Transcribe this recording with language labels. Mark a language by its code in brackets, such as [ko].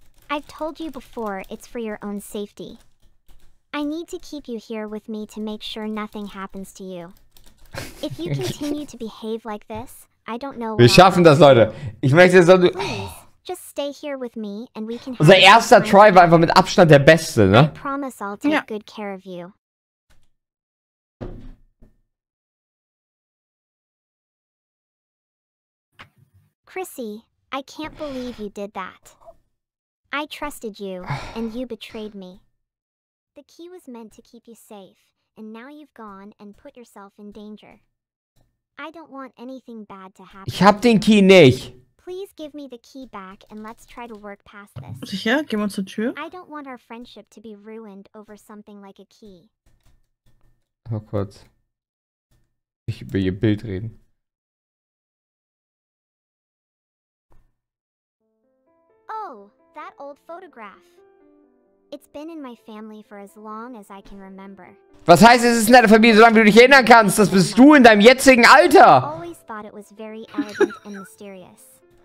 [en] I've told you before, it's for your own safety. I need to keep you here with me to make sure nothing happens to you. If you continue to behave like this, I don't know. [de] Wir schaffen das, Leute. Ich möchte so du. [en] Just stay here with me and we can. [de] Unser erster Try war einfach mit Abstand der beste, ne? [en] I promise I'll take good care of you. Chrissy, I can't believe you did that. I trusted you, and you betrayed me. The key was meant to keep you safe, and now you've gone and put yourself in danger. I don't want anything bad to happen. [de] Ich hab den Key nicht. [en] Please give me the key back, and let's try to work past this. [de] Sicher? Gehen wir zur Tür? [en] I don't want our friendship to be ruined over something like a key. [de] Oh Gott. Ich über ihr Bild reden. [en] Oh, that old photograph. It's been in my family for as long as I can remember. [de] Was heißt, es ist in deiner Familie, solange du dich erinnern kannst? Das bist du in deinem jetzigen Alter. [en] Always thought it was very elegant and mysterious.